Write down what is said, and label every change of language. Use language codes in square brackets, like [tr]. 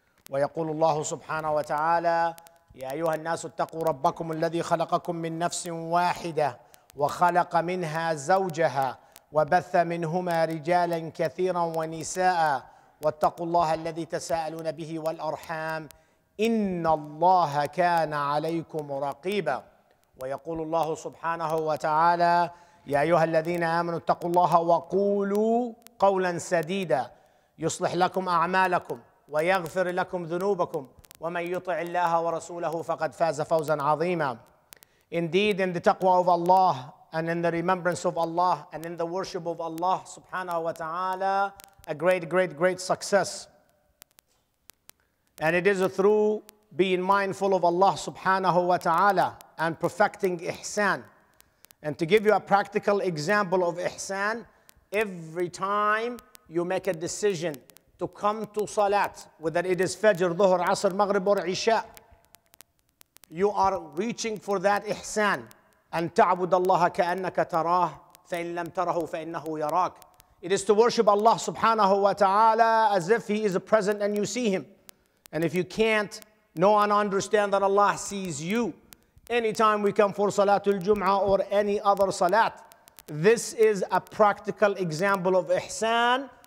[ar] ويقول الله سبحانه وتعالى يا أيها الناس اتقوا ربكم الذي خلقكم من نفس واحدة وخلق منها زوجها وبث منهما رجالا كثيرا ونساء واتقوا الله الذي تساءلون به والأرحام إن الله كان عليكم رقيبا. ويقول الله سبحانه وتعالى يا أيها الذين آمنوا اتقوا الله وقولوا قولا سديدا يصلح لكم أعمالكم ويغفر لكم ذنوبكم ومن يطع الله ورسوله فقد فاز فوزا عظيما. [en] Indeed, in the taqwa of Allah and in the remembrance of Allah and in the worship of Allah subhanahu wa ta'ala, a great, great, great success. And it is through being mindful of Allah subhanahu wa ta'ala and perfecting ihsan And to give you a practical example of ihsan, every time you make a decision to come to salat, whether it is fajr, dhuhr, asr, maghrib, or isha, you are reaching for that ihsan. [ar] أن تعبد الله كأنك تراه فإن لم تره فإنه يراك. [en] It is to worship Allah subhanahu wa ta'ala as if He is present and you see Him. And if you can't know and understand that Allah sees you, anytime we come for Salatul Jum'ah or any other Salat, this is a practical example of Ihsan.